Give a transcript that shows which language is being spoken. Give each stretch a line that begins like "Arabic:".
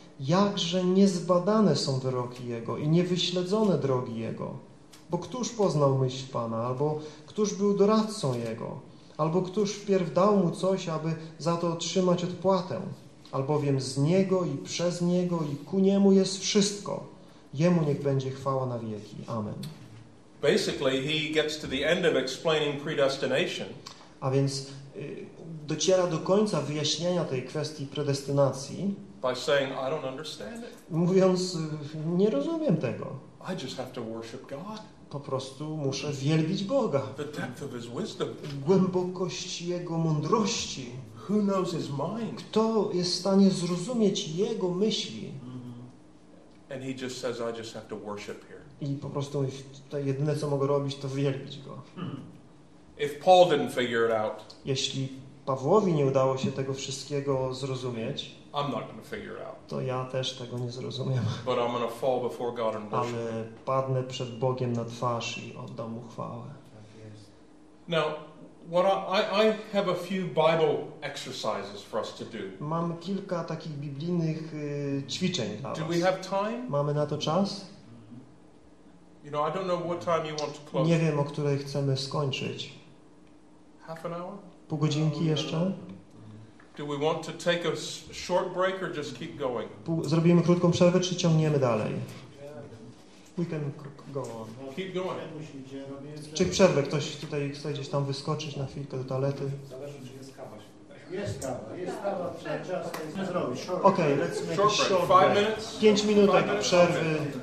Polish: Jakże niezbadane są wyroki Jego i niewyśledzone drogi Jego. Bo któż poznał myśl Pana, albo któż był doradcą Jego, albo któż wpierw dał Mu coś, aby za to otrzymać odpłatę. Albowiem z Niego i przez Niego i ku Niemu jest wszystko. Jemu niech będzie chwała na wieki. Amen.
English: Basically, he gets to the end of explaining predestination.
Polish: A więc dociera do końca wyjaśniania tej kwestii predestynacji.
English: By saying, I don't understand it.
Polish: Mówiąc, nie rozumiem tego.
English: I just have to worship God.
Polish: Po prostu muszę wielbić Boga.
English: The depth of his wisdom.
Polish: Głębokość Jego mądrości.
English: Who knows his mind?
Polish: Kto jest w stanie zrozumieć Jego myśli?
English: And he just says, I just have to worship here.
Polish: I po prostu to jedyne, co mogę robić, to wielbić go.
English: If Paul didn't figure it out,
Polish: jeśli Pawłowi nie udało się tego wszystkiego zrozumieć,
English: I'm not gonna figure it out.
Polish: To ja też tego nie zrozumiem.
English: But I'm gonna fall before God and worship.
Polish: Ale padnę przed Bogiem na twarz i oddam Mu chwałę.
English: Now, what I have a few Bible exercises for us to do.
Polish: Mam kilka takich biblijnych ćwiczeń dla was.
English: Do we have time?
Polish: Mamy na to czas?
English: You know, I don't know what time you want to close.
Polish: Nie wiem, o której chcemy skończyć.
English: Half an hour?
Polish: Pół godzinki jeszcze?
English: Do we want to take a short break or just keep going?
Polish: Zrobimy krótką przerwę czy ciągniemy dalej?
English: We can go on. Keep going.
Polish: Czy przerwę? Ktoś tutaj chce gdzieś tam wyskoczyć na chwilkę do toalety? Zależy, czy jest kawa. Jest kawa. Jest kawa. Czas to zrobić.
English: Okay, let's make a short break.
Polish: 5 minutek przerwy.